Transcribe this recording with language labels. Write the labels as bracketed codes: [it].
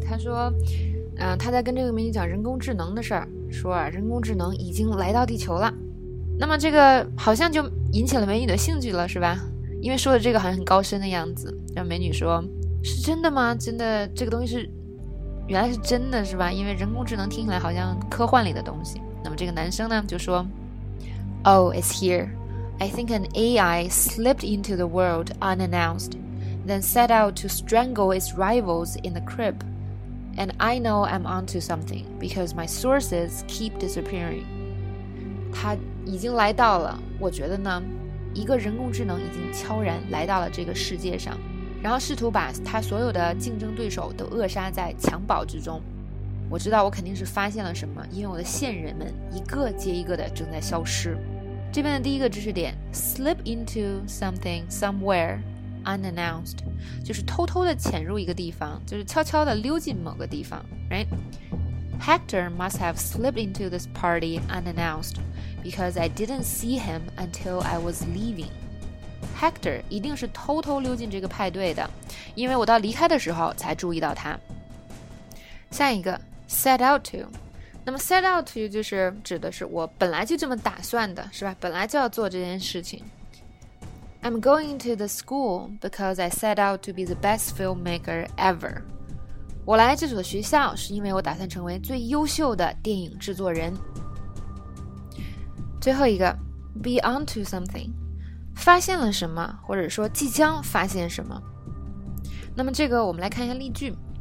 [zh] 他说，他在跟这个美女讲人工智能的事儿，说啊，人工智能已经来到地球了。那么这个好像就引起了美女的兴趣了，是吧？因为说的这个好像很高深的样子，让美女说：“是真的吗？真的，这个东西是原来是真的，是吧？因为人工智能听起来好像科幻里的东西。” 那么这个男生呢，就说 ： “Oh, it's here. [en] I think an AI slipped into the world unannounced, then set out to strangle its rivals in the crib.” And I know I'm onto something because my sources keep disappearing. [zh] 他已经来到了，我觉得呢，一个人工智能已经悄然来到了这个世界上，然后试图把他所有的竞争对手都扼杀在襁褓之中。我知道我肯定是发现了什么，因为我的线人们一个接一个的正在消失。这边的第一个知识点 ， slip into something somewhere. Unannounced， 就是偷偷的潜入一个地方，就是悄悄的溜进某个地方 ，right？ [en] Hector must have slipped into this party unannounced because I didn't see him until I was leaving. [zh] Hector 一定是偷偷溜进这个派对的，因为我到离开的时候才注意到他。下一个 set out to， 那么 set out to 就是指的是我本来就这么打算的，是吧？本来就要做这件事情。 [en] I'm going to the school because I set out to be the best filmmaker ever. [zh] 我来这所学校是因为我打算成为最优秀的电影制作人。最后一个 ,be onto something, 发现了什么或者说即将发现什么。那么这个我们来看一下例句。